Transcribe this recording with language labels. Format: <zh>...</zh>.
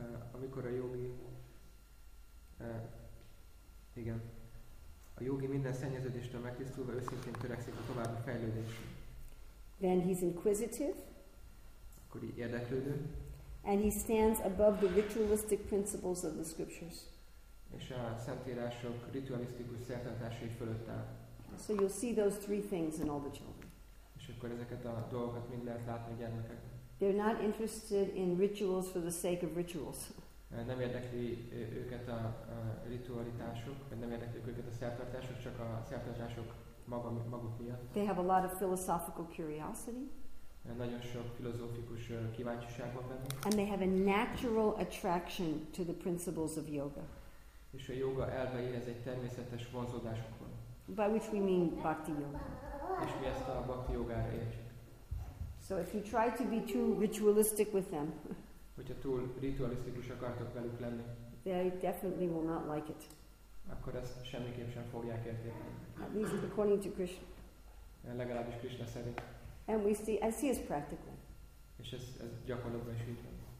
<hu>Amikor a jogi, igen, a jogi minden szennyeződéstől megtisztulva őszintén törekszik a további fejlődésre.</hu> <en>Then he's inquisitive.</en> <hu>Akkor érdeklődő.</hu> <en>And he stands above the ritualistic principles of the scriptures.</en> <hu>És a szentírások ritualisztikus szertartásai fölött áll.</hu> <en>So you'll see those three things in all the children.</en> <hu>És akkor ezeket a dolgokat mind lehet látni a gyermekekben.</hu> <en>They're not interested in rituals for the sake of rituals.</en> <hu>Nem érdekli őket a ritualitások, vagy nem érdekli őket a szertartások, csak a szertartások maguk miatt.</hu> <en>They have a lot of philosophical curiosity.</en> <hu>Nagyon sok filozófikus kíváncsiság van bennük.</hu> <en>And they have a natural attraction to the principles of yoga.</en> <hu>És a yoga elveihez egy természetes vonzódásuk van.</hu> <en>By which we mean bhakti yoga.</en> <hu>És mi ezt a bhakti yogára értjük.</hu> <en>So if you try to be too ritualistic with them,</en> <hu>hogyha túl ritualisztikus akartok velük lenni,</hu> <en>they definitely will not like it.</en> <hu>Akkor ezt semmiképp sem fogják értékelni.</hu> <en>At least according to Krishna.</en> <hu>Legalábbis Krishna szerint.</hu> <en>And we see, I see as practical.</en> <hu>És ez gyakorlatban is így van.</hu>